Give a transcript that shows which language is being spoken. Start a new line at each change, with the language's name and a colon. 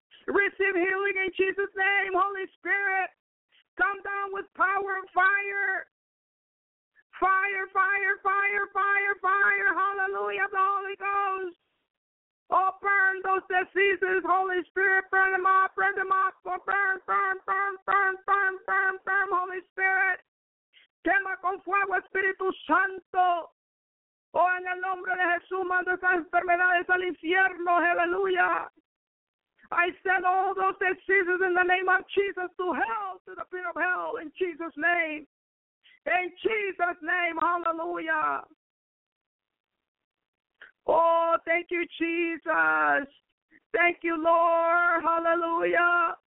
English: Receive healing in Jesus' name, Holy Spirit. Come down with power and fire. Fire, fire, fire, fire, fire. Hallelujah, the Holy Ghost. Oh, burn those diseases, Holy Spirit. Burn them off, burn them off. Burn, burn, burn, burn, burn, burn, burn, burn, Holy Spirit.
Spanish: Quema con fuego, Espíritu Santo. Oh, en el nombre de Jesús, manda esas enfermedades al infierno.
English: Hallelujah. I send all those diseases in the name of Jesus to hell, to the pit of hell, in Jesus' name. In Jesus' name, hallelujah. Oh, thank you, Jesus. Thank you, Lord, hallelujah.